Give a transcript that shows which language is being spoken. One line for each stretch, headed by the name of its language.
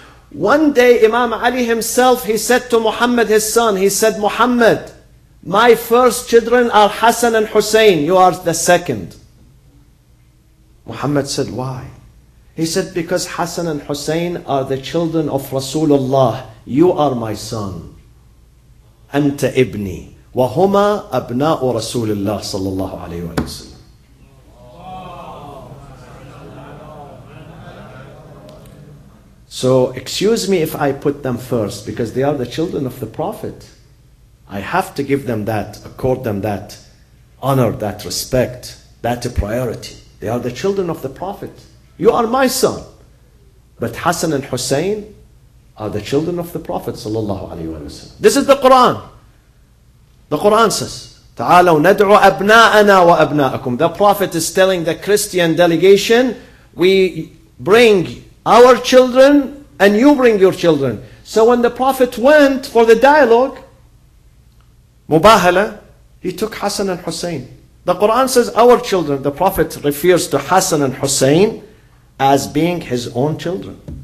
English: One day Imam Ali himself, he said to Muhammad, his son, he said, Muhammad, my first children are Hassan and Hussein. You are the second. Muhammad said, why? He said, because Hassan and Hussein are the children of Rasulullah. You are my son.
Arabic: أنت ابني وهما أبناء رسول الله صلى الله عليه وسلم.
English: So excuse me if I put them first, because they are the children of the Prophet. I have to give them that, accord them that honor, that respect, that priority. They are the children of the Prophet. You are my son. But Hassan and Hussein are the children of the Prophet
Arabic: صلى الله عليه وسلم.
English: This is the Quran. The Quran says,
Arabic: تعالوا ندعو أبناءنا وأبناءكم.
English: The Prophet is telling the Christian delegation, we bring our children and you bring your children. So when the Prophet went for the dialogue, مباهلة, he took Hassan and Hussein. The Quran says, our children, the Prophet refers to Hassan and Hussein as being his own children.